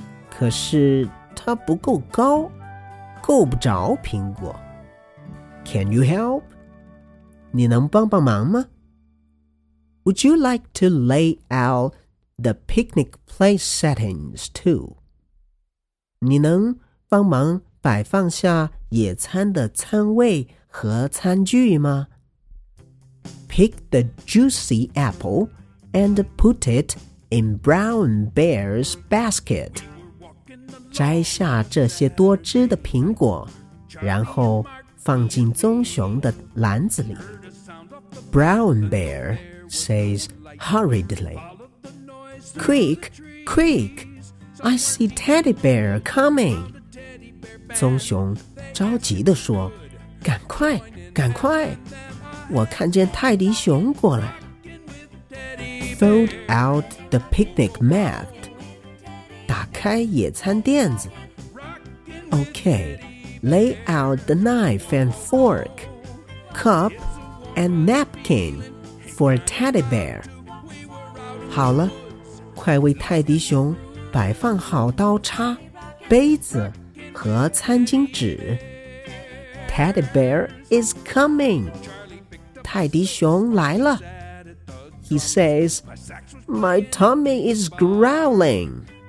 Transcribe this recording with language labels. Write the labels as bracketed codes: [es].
[zh] 可是他不够高，够不着苹果。 [en] Can you help? [zh] 你能帮帮忙吗？ [en] Would you like to lay out the picnic place settings too? [zh] 你能帮忙摆放下野餐的餐位和餐具吗？ [en] Pick the juicy apple and put it in Brown Bear's basket. [zh] 摘下这些多汁的苹果，然后放进棕熊的篮子里。 [en] Brown Bear says hurriedly, Quick, quick, I see Teddy Bear coming. [zh] 棕熊着急地说，赶快，赶快，我看见泰迪熊过来。 [en] Fold out the picnic mat. [zh] 打开野餐垫子。 [en] Okay, lay out the knife and fork, cup and napkin for Teddy Bear. [zh] 好了，快为泰迪熊摆放好刀叉、杯子和餐巾纸。 [en] Teddy Bear is coming. [zh] 泰迪熊来了。 [en] He says, my tummy is growling.